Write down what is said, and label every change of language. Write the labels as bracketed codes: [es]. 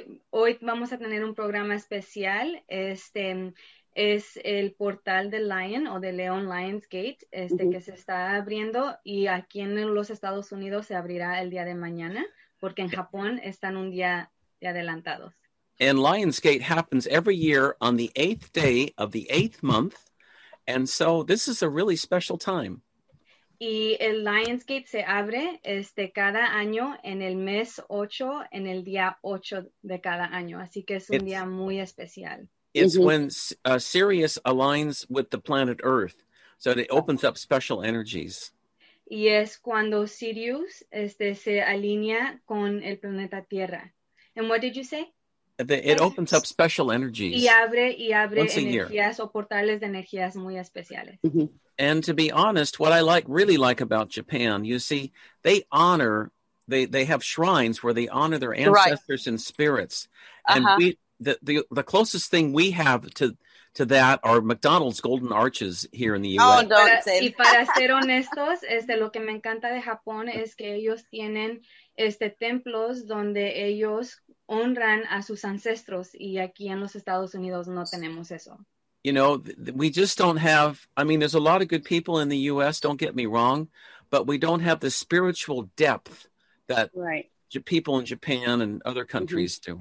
[es] Hoy vamos a tener un programa especial. Es el portal de Lion o de León, Lionsgate, mm-hmm. que se está abriendo, y aquí en los Estados Unidos se abrirá el día de mañana, porque en Japón están un día de adelantados. [en] And Lionsgate happens every year on the eighth day of the eighth month. And so this is a really special time. [es] Y el Lionsgate se abre cada año en el mes 8, en el día 8 de cada año. Así que es un día muy especial. [en] It's mm-hmm. when Sirius aligns with the planet Earth. So it opens up special energies. [es] Y es cuando Sirius se alinea con el planeta Tierra. [en] And what did you say? It opens up special energies. [es] Y abre energías o portales de energías muy especiales. Mm-hmm. [en] And to be honest, what I really like about Japan, you see, they have shrines where they honor their ancestors and spirits. Uh-huh. And the closest thing we have to that are McDonald's golden arches here in the U.S. Oh, don't say that. [es] Y para ser honestos, lo que me encanta de Japón es que ellos tienen templos donde ellos honran a sus ancestros, y aquí en los Estados Unidos no tenemos eso. [en] You know, we just don't have, there's a lot of good people in the U.S., don't get me wrong, but we don't have the spiritual depth that people in Japan and other countries mm-hmm.